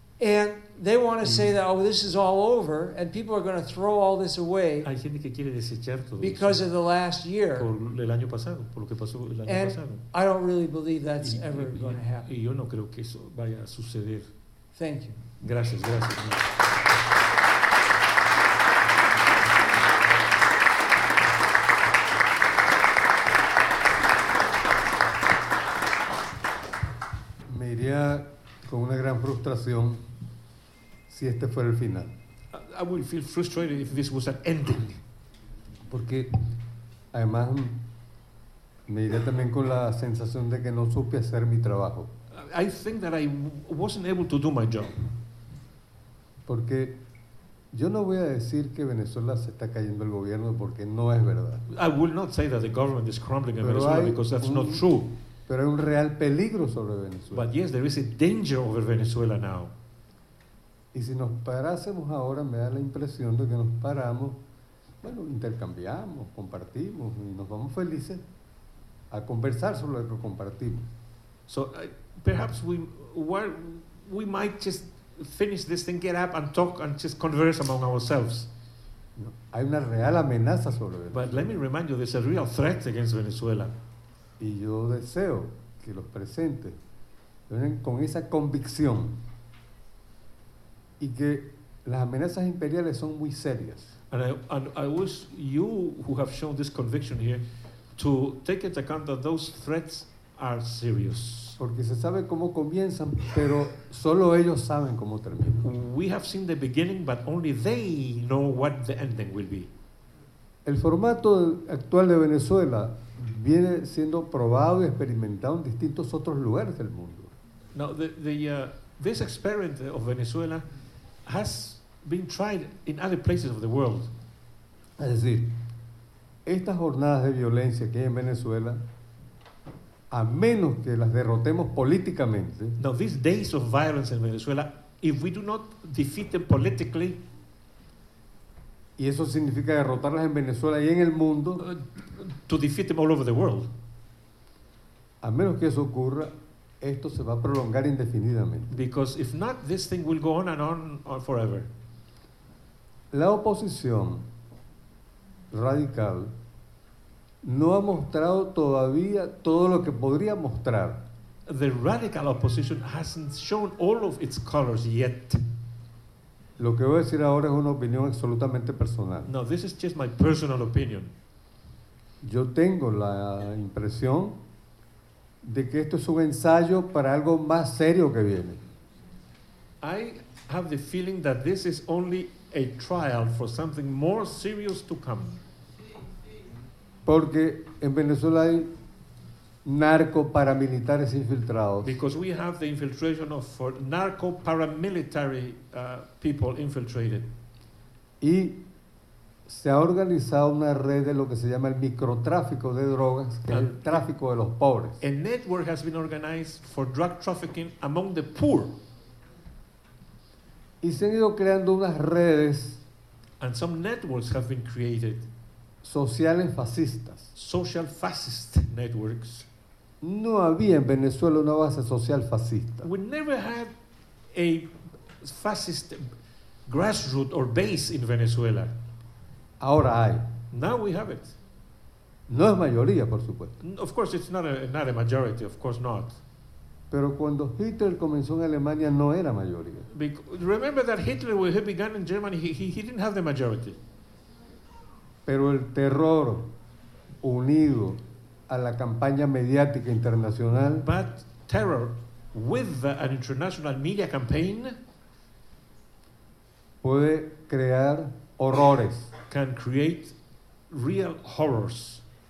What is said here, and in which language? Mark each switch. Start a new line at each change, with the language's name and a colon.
English: And they want to say that, oh, this is all over, and people are going to throw all this away because of the last year.
Spanish: Pasado, por lo que pasó el año
English: and
Spanish: pasado.
English: I don't really believe that's ever going to happen.
Spanish: Y yo no creo que eso vaya a suceder.
English: Thank you.
Spanish: Gracias, gracias. Me iría con una gran frustración si este fuera el final.
English: I would feel frustrated if this was an ending.
Spanish: Porque además me iría también con la sensación de que no supe hacer mi trabajo.
English: I think that I wasn't able to do my job.
Spanish: Porque yo no voy a decir que Venezuela se está cayendo el gobierno porque no es verdad.
English: I will not say that the government is crumbling
Spanish: pero
English: in Venezuela because that's not true.
Spanish: Pero hay un real peligro sobre Venezuela.
English: But yes, there is a danger over Venezuela now.
Spanish: Y si nos parásemos ahora, me da la impresión de que nos paramos, bueno, intercambiamos, compartimos, y nos vamos felices a conversar sobre lo que compartimos.
English: So, perhaps we might just finish this thing, get up and talk and just converse among ourselves.
Spanish: No, hay una real amenaza sobre Venezuela.
English: But let me remind you, there's a real threat against Venezuela.
Spanish: Y yo deseo que los presentes vengan con esa convicción y que las amenazas imperiales son muy serias.
English: And I wish you who have shown this conviction here to take into account that those threats are serious.
Spanish: Porque se sabe cómo comienzan, pero solo ellos saben cómo terminan.
English: We have seen the beginning, but only they know what the ending will be.
Spanish: El formato actual de Venezuela viene siendo probado y experimentado en distintos otros lugares del mundo.
English: Now, this experiment of Venezuela has been tried in other places of the world.
Spanish: Es decir, estas jornadas de violencia que hay en Venezuela, a menos que las derrotemos políticamente.
English: Now, these days of violence in Venezuela, if we do not defeat them politically,
Spanish: y eso significa derrotarlas en Venezuela y en el mundo.
English: To defeat them all over the world.
Spanish: A menos que eso ocurra, esto se va a prolongar indefinidamente.
English: Because if not, this thing will go on and on forever.
Spanish: La oposición radical no ha mostrado todavía todo lo que podría mostrar.
English: The radical opposition hasn't shown all of its colors yet.
Spanish: Lo que voy a decir ahora es una opinión absolutamente personal.
English: No, this is just my personal opinion.
Spanish: Yo tengo la impresión de que esto es un ensayo para algo más serio que viene.
English: I have the feeling that this is only a trial for something more serious to come.
Spanish: Porque en Venezuela hay narco paramilitares infiltrados.
English: Because we have the infiltration of for narco paramilitary people infiltrated.
Spanish: Y se ha organizado una red de lo que se llama el microtráfico de drogas, que es el tráfico de los pobres.
English: A network has been organized for drug trafficking among the poor.
Spanish: Y se han ido creando unas redes.
English: And some networks have been created.
Spanish: Sociales fascistas.
English: Social fascist networks.
Spanish: No había en Venezuela una base social fascista.
English: We never had a fascist grassroots or base in Venezuela.
Spanish: Ahora hay.
English: Now we have it.
Spanish: No es mayoría, por supuesto.
English: Of course it's not a majority, of course not.
Spanish: Pero cuando Hitler comenzó en Alemania no era mayoría.
English: Remember that Hitler, when he began in Germany, he didn't have the majority.
Spanish: Pero el terror unido a la campaña mediática internacional.
English: But terror with an international media campaign
Spanish: puede crear horrores.
English: Can create real horrors.